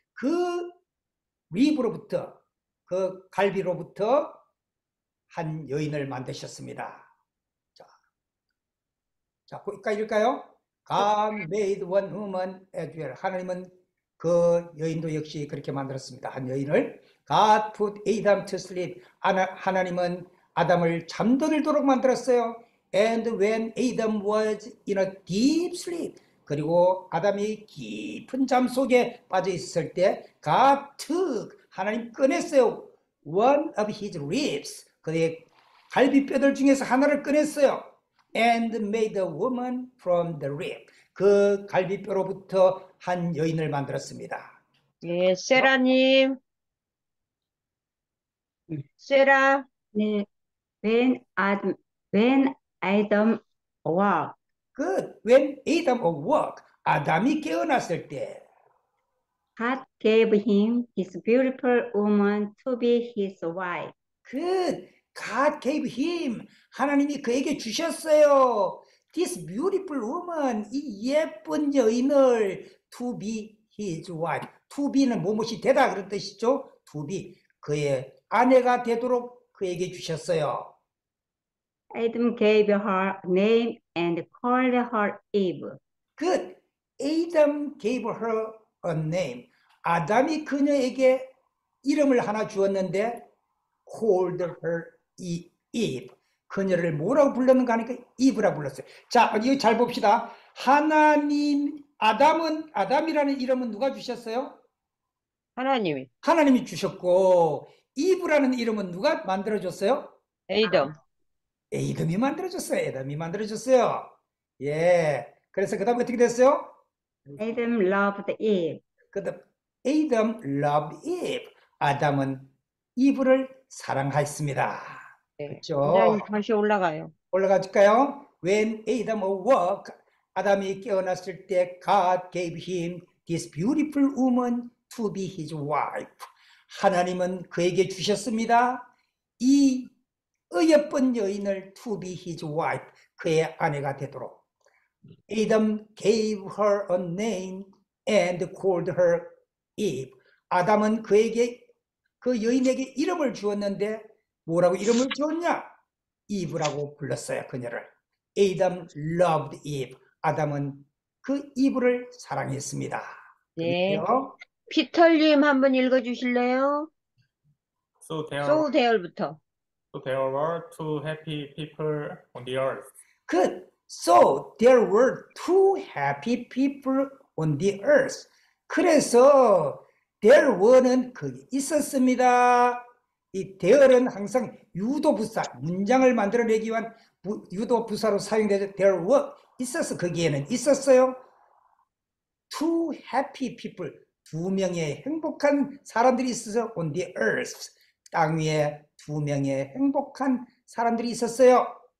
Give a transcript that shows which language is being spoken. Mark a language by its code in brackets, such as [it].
[ko] 그 rib으로부터, 그 갈비로부터 한 여인을 만드셨습니다. 자, 자, 거기까지 읽을까요? [en] God made one woman as well. [ko] 하나님은 그 여인도 역시 그렇게 만들었습니다. 한 여인을. [en] God put Adam to sleep. [ko] 하나님은 아담을 잠들도록 만들었어요. [en] And when Adam was in a deep sleep. [ko] 그리고 아담이 깊은 잠 속에 빠져 있을 때 [en] God took, [ko] 하나님 꺼냈어요. [en] One of his ribs. [ko] 그의 갈비뼈들 중에서 하나를 꺼냈어요. [en] And made a woman from the rib. [ko] 그 갈비뼈로부터 한 여인을 만들었습니다. 네, 세라님. 세라. [en] 네. When Adam awoke. Good. When Adam awoke, [ko] 아담이 깨어났을 때. [en] God gave him his beautiful woman to be his wife. Good. God gave him. [ko] 하나님이 그에게 주셨어요. [en] This beautiful woman, [ko] 이 예쁜 여인을 [en] to be his wife. [ko] To be는 무엇이 되다 그런 뜻이죠. To be 그의 아내가 되도록 그에게 주셨어요. [en] Adam gave her name and called her Eve. Good. Adam gave her a name. [ko] 아담이 그녀에게 이름을 하나 주었는데 [en] called her Eve. [ko] 그녀를 뭐라고 불렀는가 하니까 이브라고 불렀어요. 자, 이거 잘 봅시다. 하나님, 아담은, 아담이라는 이름은 누가 주셨어요? 하나님이. 하나님이 주셨고, 이브라는 이름은 누가 만들어줬어요? 에이덤. 에이덤이 만들어줬어요. 에이덤이 만들어줬어요. 예. 그래서 그 다음 어떻게 됐어요? [en] 에이덤 loved Eve. 그 다음, 에이덤 loved Eve. [ko] 아담은 이브를 사랑했습니다. 그렇죠. 다시 올라가요. 올라가줄까요? [en] When Adam awoke, [ko] 아담이 깨어났을 때 [en] God gave him this beautiful woman to be his wife. [ko] 하나님은 그에게 주셨습니다. 이 어여쁜 여인을 [en] to be his wife, [ko] 그의 아내가 되도록. [en] Adam gave her a name and called her Eve. [ko] 아담은 그에게 그 여인에게 이름을 주었는데 뭐라고 이름을 지었냐? 이브라고 불렀어요, 그녀를. [en] Adam loved Eve. [ko] 아담은 그 이브를 사랑했습니다. 네. 피터님 한번 읽어주실래요? So there부터. [en] So there were two happy people on the earth. Good. So there were two happy people on the earth. [ko] 그래서 [en] there were [ko] 는 거기 있었습니다. 이 there은 항상 유도 부사, 문장을 만들어내기 위한 유도 부사로 사용되죠. [en] There were [ko] 있어서 거기에는 있었어요. [en] Two happy people, [ko] 두 명의 행복한 사람들이 있어서 [en] on the earth, [ko] 땅 위에 두 명의 행복한 사람들이 있었어요.